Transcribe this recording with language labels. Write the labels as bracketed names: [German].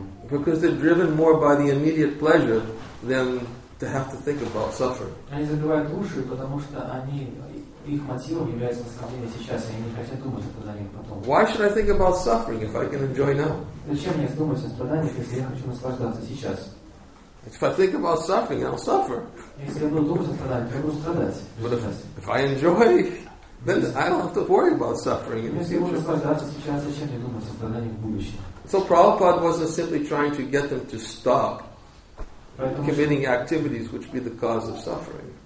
[English] Because they're driven more by the immediate pleasure than to have to think about suffering. [Russian] Они закрывают уши, потому что они их мотивом является наслаждение сейчас, и они не хотят думать о страданиях потом. [English] Why should I think about suffering if I can enjoy now? [Russian] Зачем мне думать о страданиях, если я хочу наслаждаться сейчас? [English] If I think about suffering, I'll suffer. [Russian] Если я буду думать о страданиях, я буду страдать. [English] But if I enjoy, then I don't have to worry about suffering in the future. [Russian] Если я буду наслаждаться сейчас, зачем мне думать о страданиях в будущем? [English] So Prabhupada wasn't simply trying to get them to stop committing activities which be the cause of suffering.